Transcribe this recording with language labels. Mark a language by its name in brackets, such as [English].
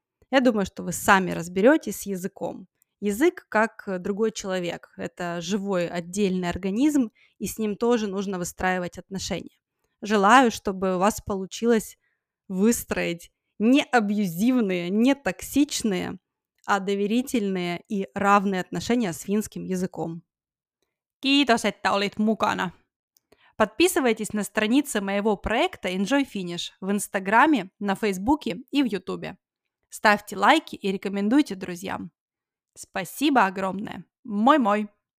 [Russian] Я думаю, что вы сами разберетесь с языком. Язык как другой человек, это живой отдельный организм, и с ним тоже нужно выстраивать отношения. Желаю, чтобы у вас получилось выстроить не абьюзивные, не токсичные, а доверительные и равные отношения с финским языком. [Finnish] Kiitos, että olit mukana. [Russian] Подписывайтесь на страницы моего проекта Enjoy Finnish в Инстаграме, на Фейсбуке и в Ютубе. Ставьте лайки и рекомендуйте друзьям. Спасибо огромное. Мой-мой.